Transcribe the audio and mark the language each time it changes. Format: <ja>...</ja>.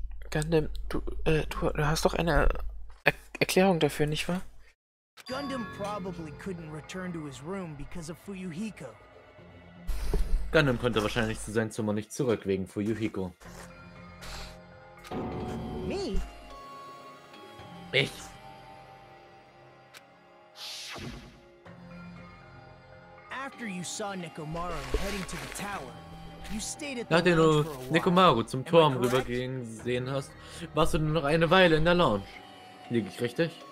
<de>Gundam, du hast doch eine Erklärung dafür, nicht wahr?</de> <en>Gundam probably couldn't return to his room because of Fuyuhiko.</en> <de>Gundam konnte wahrscheinlich zu seinem Zimmer nicht zurück wegen Fuyuhiko.</de> <en>Me?</en> <de>Ich.</de> <en>After you saw Nekomaru heading to the tower.</en> <de>Nachdem du Nekomaru zum Turm rübergehen gesehen hast, warst du nur noch eine Weile in der Lounge. Lieg ich richtig?</de>